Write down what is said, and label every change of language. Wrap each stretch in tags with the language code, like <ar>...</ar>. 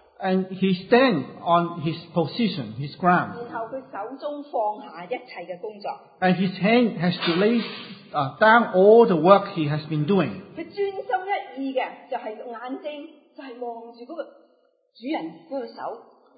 <en>and he stands on his position, his ground.</en> <zh>然后他手中放下一切的工作,</zh> <en>and his hand has to lay down all the work he has been doing.</en> <zh>他专心一意的, 就是眼睛, 就是望着那个主人的手,</zh>